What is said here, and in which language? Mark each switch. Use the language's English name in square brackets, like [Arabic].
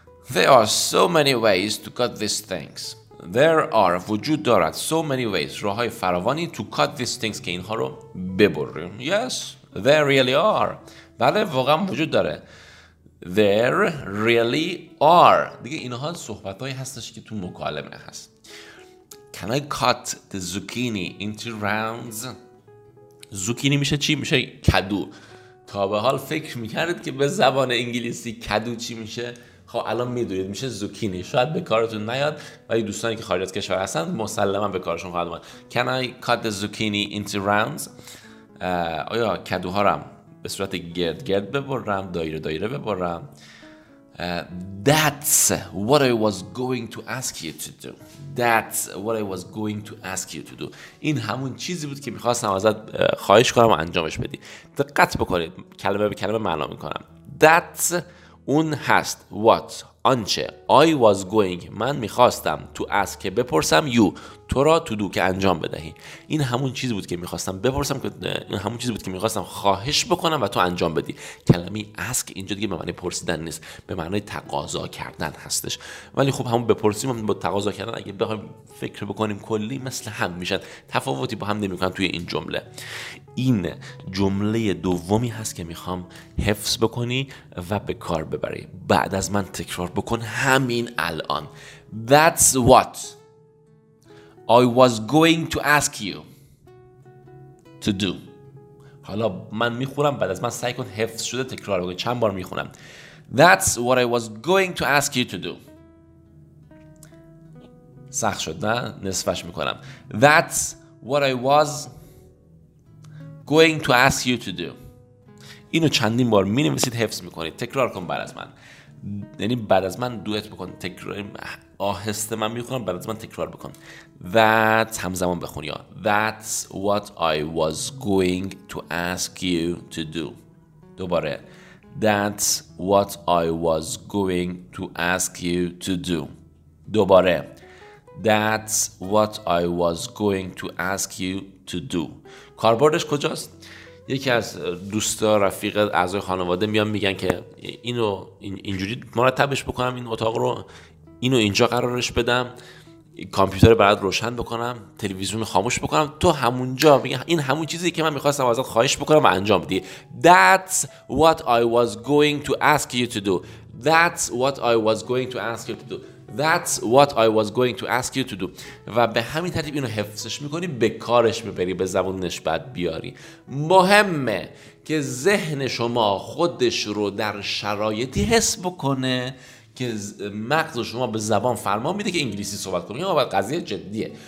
[English] There are so many ways to cut these things. There are، [Persian] وجود دارد، [English] so many ways، [Persian] راه‌های فراوانی [English] to cut these things، [Persian] که اینها رو ببری. [English] Yes, there really are. [Persian] بله، واقعا وجود داره. [English] There really are. [Persian] دیگه اینها صحبت‌هایی هستش که تو مکالمه هست. [English] Can I cut the zucchini into rounds؟ [Persian] زوکینی میشه چی؟ میشه کدو. تا به حال فکر میکردید که به زبان انگلیسی کدو چی میشه؟ خب الان میدونید، میشه زوکینی. شاید به کارتون نیاد ولی دوستانی که خارج از کشور هستن مسلما به کارشون خواهد اومد. [English] Can I cut the zucchini into rounds؟ [Persian] آیا کدوها رو به صورت گرد گرد ببرم، دایره دایره ببرم؟ [English] That's what I was going to ask you to do. That's what I was going to ask you to do. [Persian] این همون چیزی بود که میخواستم ازت خواهش کنم و انجامش بدی. دقت بکنید، کلمه به کلمه معنا میکنم. [English] That's، [Persian] اون هست. [English] What، [Persian] آنچه. [English] I was going، [Persian] من میخواستم. [English] To ask، [Persian] که بپرسم. [English] You، [Persian] تو را. [English] To do، [Persian] که انجام بدهی. این همون چیزی بود که میخواستم بپرسم، این همون چیزی بود که میخواستم خواهش بکنم و تو انجام بدی. کلمه ask اینجا دیگه به معنی پرسیدن نیست، به معنی تقاضا کردن هستش. ولی خب همون بپرسیم با تقاضا کردن، اگه بخوایم فکر بکنیم کلی مثل هم میشن، تفاوتی با هم نمی کنن توی این جمله. این جمله دومی هست که میخوام حفظ بکنی و به کار ببری. بعد از من تکرار بکن همین الان. [English] That's what I was going to ask you to do. [Persian] حالا من میخونم، بعد از من سعی کن حفظ شده تکرار بکنی. چند بار میخونم؟ [English] That's what I was going to ask you to do. [Persian] سخت شد نه؟ نصفش میکنم. [English] That's what I was going to ask you to do. [Persian] اینو چندین بار می‌نویسید، حفظ می‌کنید، تکرار کن بعد از من. یعنی بعد از من دوئت بکن، تکرار آهسته من می‌خونم، بعد از من تکرار بکن. [English] That، [Persian] همزمان بخون یا [English] That's what I was going to ask you to do. دوباره That's what I was going to ask you to do. دوباره That's what I was going to ask you to do. [Persian] کاربردش کجاست؟ یکی از دوستا، رفیق، اعضای خانواده میان میگن که اینو اینجوری مرتبش بکنم، این اتاق رو، اینو اینجا قرارش بدم، کامپیوتر برات روشن بکنم، تلویزیون خاموش بکنم. تو همونجا میگن این همون چیزی که من میخواستم ازت خواهش بکنم و انجام بدی. [English] That's what I was going to ask you to do. That's what I was going to ask you to do. That's what I was going to ask you to do. [Persian] و به همین ترتیب اینو حفظش میکنی، به کارش میبری، به زبونش بعد بیاری. مهمه که ذهن شما خودش رو در شرایطی حس بکنه که مغز شما به زبان فرمان میده که انگلیسی صحبت کنه. اما قضیه جدیه.